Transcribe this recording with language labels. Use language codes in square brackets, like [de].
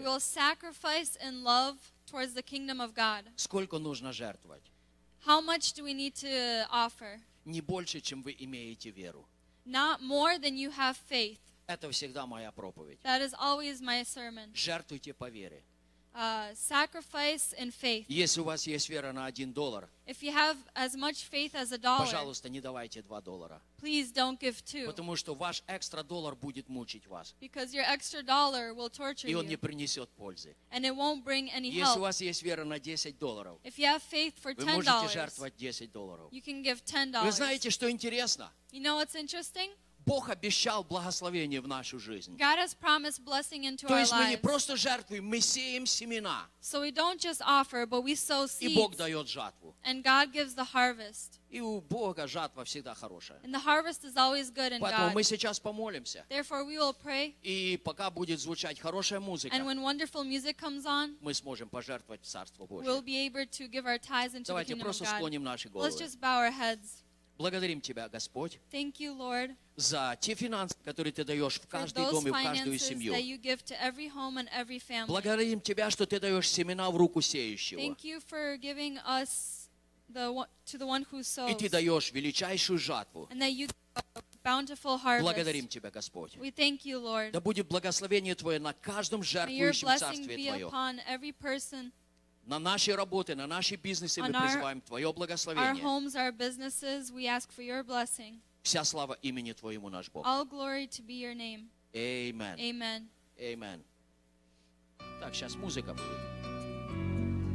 [en] We will sacrifice in love towards the kingdom of God. [ru] Сколько нужно жертвовать? [en] How much do we need to offer? [ru] Не больше, чем вы имеете веру. [en] Not more than you have faith. [ru] Это всегда моя проповедь. [en] That is always my sermon. [ru] Жертвуйте по вере. [en] Sacrifice in faith. [ru] Если у вас есть вера на $1, [en] If you have as much faith as a dollar, [ru] пожалуйста, не давайте $2. [en] Please don't give $2. [ru] Потому что ваш экстра доллар будет мучить вас. [en] Because your extra dollar will torture [ru] и он [en] you. [ru] Не принесет пользы. [en] And it won't bring any [ru] Если [en] help. [ru] Если у вас есть вера на $10, [en] If you have faith for $10, [ru] вы можете жертвовать $10. [en] You can give $10. [ru] Вы знаете, что интересно? [en] You know what's interesting? [ru] Бог обещал благословение в нашу жизнь. [en] God has promised blessing into [ru] То есть [en] our [ru] мы [en] lives. [ru] Не просто жертвуем, мы сеем семена. [en] So we don't just offer, but we sow seeds. [ru] И Бог дает жатву. [en] And God gives the harvest. [ru] И у Бога жатва всегда хорошая. [en] And the harvest is always good in [ru] Поэтому [en] God. [ru] Мы сейчас помолимся. [en] Therefore we will pray. [ru] И пока будет звучать хорошая музыка, [en] And when wonderful music comes on, [ru] мы сможем пожертвовать в Царство Божие. [en] We'll be able to give our tithes into [ru] Давайте [en] the kingdom of God. [ru] Просто склоним наши головы. [en] Let's just bow our heads. [ru] Благодарим Тебя, Господь, [en] Thank you, Lord, [ru] за те финансы, которые Ты даешь в каждый дом и в каждую семью. [en] That you give to every home and every family. [ru] Благодарим Тебя, что Ты даешь семена в руку сеющего. [en] Thank you for giving us the, to the one who sows. [ru] И Ты даешь величайшую жатву. [en] And that you Bountiful harvest. [ru] Благодарим Тебя, Господь. [en] We thank you, Lord. [ru] Да будет благословение Твое на каждом жертвующем [en] May your blessing [ru] Царстве Твое. [en] Be upon every person. [ru] На нашей работе, на нашей бизнесе мы призываем Твое благословение. [en] Our homes, our businesses, we ask for your blessing. [ru] Вся слава имени Твоему, наш Бог. [en] All glory to be your name. Amen. Amen. Amen. [ru] Так, сейчас музыка будет.